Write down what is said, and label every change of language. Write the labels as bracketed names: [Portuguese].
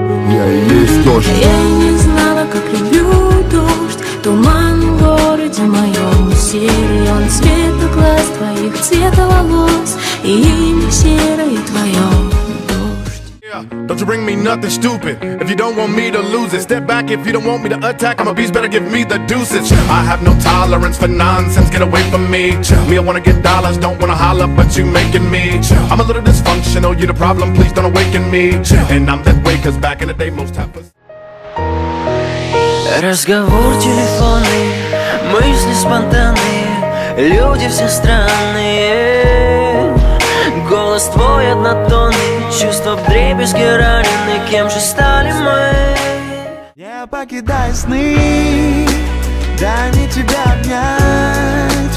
[Russian] Я не знала, как люблю дождь. Туман в городе моем серый. Он цвета глаз твоих, цвета волос. И имя серое твое. [English] Don't you bring me nothing stupid. If you don't want me to lose it, step back if you don't want me to attack. I'm a beast, better give me the deuces. I have no tolerance for nonsense, get away from me. Me, I wanna get dollars, don't wanna holler, but you making me. I'm a little dysfunctional, you the problem, please don't awaken me. And I'm that way, cause back in the day most happens. [Russian] Разговор телефонный, мысли спонтанные. Люди все странные. Голос твой однотонный. Чувства вдребезги ранены, кем же стали мы? Не покидай сны, дай мне тебя обнять.